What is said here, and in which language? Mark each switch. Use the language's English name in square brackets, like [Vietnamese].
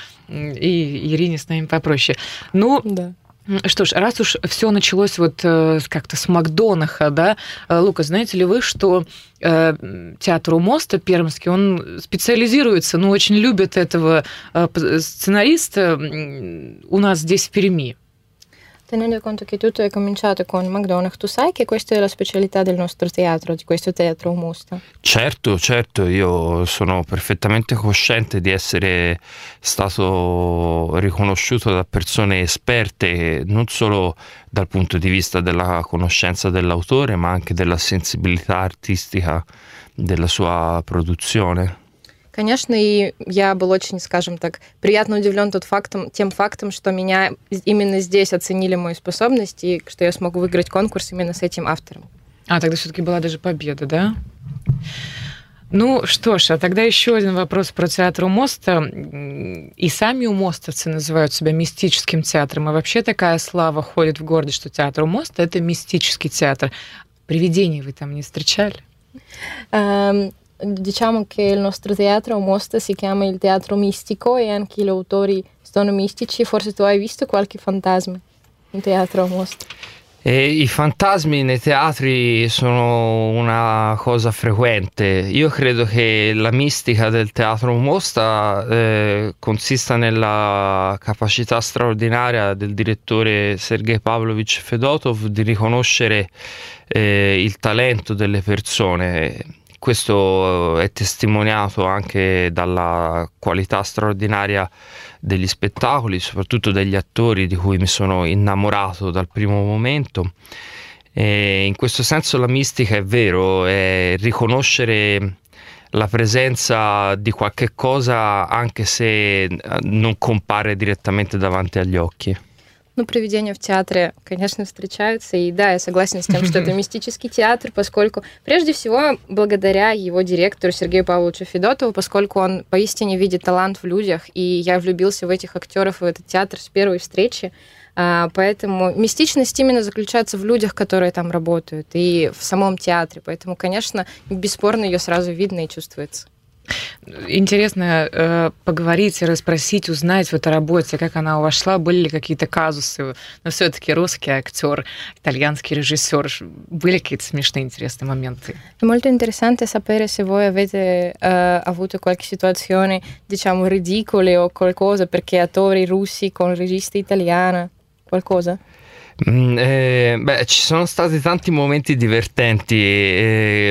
[Russian] и Ирине с нами попроще. Ну, да. Что ж, раз уж все началось вот как-то с Макдонаха, да, Лука, знаете ли вы, что театр «Умоста» пермский, он специализируется, ну, очень любит этого сценариста у нас здесь в Перми. [Italian] Tenendo conto che tutto è cominciato con McDonagh, tu sai che questa è la specialità del nostro teatro, di questo teatro Umosta? Certo, certo, io sono perfettamente cosciente di essere stato riconosciuto da persone esperte, non solo dal punto di vista della conoscenza dell'autore, ma anche della sensibilità artistica della sua produzione. [Russian] Конечно, и я был очень, скажем так, приятно удивлен тем фактом, что меня именно здесь оценили мои способности, и что я смог выиграть конкурс именно с этим автором. А, тогда все-таки была даже победа, да? Ну что ж, а тогда еще один вопрос про театр «Умоста». И сами «Умостовцы» называют себя мистическим театром, и вообще такая слава ходит в городе, что театр «Умоста» — это мистический театр. Привидений вы там не встречали? [Italian] Diciamo che il nostro teatro Umosta si chiama il teatro mistico e anche gli autori sono mistici. Forse tu hai visto qualche fantasma in teatro Umosta? E i fantasmi nei teatri sono una cosa frequente. Io credo che la mistica del teatro Umosta consista nella capacità straordinaria del direttore Sergei Pavlovich Fedotov di riconoscere il talento delle persone. Questo è testimoniato anche dalla qualità straordinaria degli spettacoli, soprattutto degli attori di cui mi sono innamorato dal primo momento. E in questo senso la mistica è vero, è riconoscere la presenza di qualche cosa anche se non compare direttamente davanti agli occhi. [Russian] Ну, привидения в театре, конечно, встречаются, и да, я согласен с тем, что это мистический театр, поскольку, прежде всего, благодаря его директору Сергею Павловичу Федотову, поскольку он поистине видит талант в людях, и я влюбился в этих актеров и в этот театр с первой встречи, поэтому мистичность именно заключается в людях, которые там работают, и в самом театре, поэтому, конечно, бесспорно ее сразу видно и чувствуется. Интересно поговорить, расспросить, узнать в этой работе, как она вошла, были ли какие-то казусы, но все-таки русский актер, итальянский режиссер, были какие-то смешные, интересные моменты. [Italian] Molto interessante sapere se voi avete avuto qualche situazione, diciamo, ridicole o qualcosa, perché attori russi con regista italiana, qualcosa? Beh, ci sono stati tanti momenti divertenti.